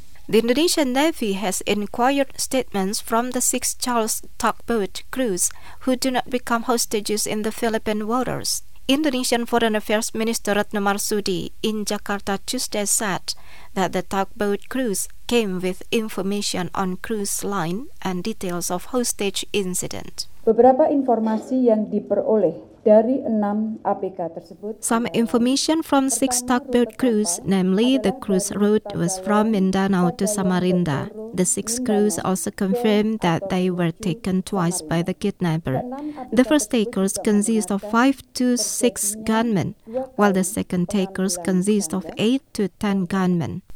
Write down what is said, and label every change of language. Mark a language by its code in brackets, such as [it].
[en] The Indonesian Navy has inquired statements from the six Charles tugboat crews who do not become hostages in the Philippine waters. Indonesian Foreign Affairs Minister Retno Marsudi in Jakarta Tuesday said that the tugboat crews came with information on cruise line and details of hostage incident. [id] Beberapa informasi yang diperoleh dari 6 APK tersebut. [en] Some information from 6 tugboat crews, namely the cruise route was from Mindanao to Samarinda. The 6 crews also confirmed that they were taken twice by the kidnapper. The first takers consist of 5 to 6 gunmen, while the second takers consist of 8 to 10 gunmen.